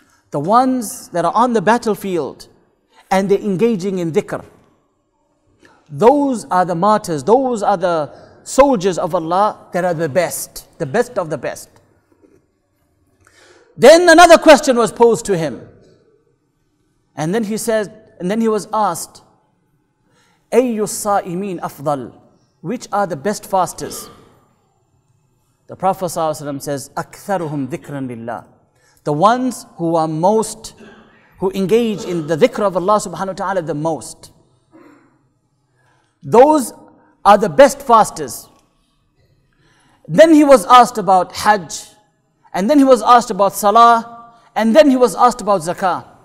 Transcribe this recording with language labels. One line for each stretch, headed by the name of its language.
English: The ones that are on the battlefield and they're engaging in dhikr, those are the martyrs, those are the soldiers of Allah that are the best of the best. Then another question was posed to him. And then he said, and then he was asked,
Arabic: أَيُّ السَّائِمِينَ أَفْضَلُ.
English: Which are the best fasters? The Prophet ﷺ says,
Arabic: أَكْثَرُهُمْ ذِكْرًا لِلَّهِ.
English: The ones who are most, who engage in the dhikr of Allah subhanahu wa ta'ala the most. Those are the best fasters. Then he was asked about Hajj, and then he was asked about Salah, and then he was asked about Zakah.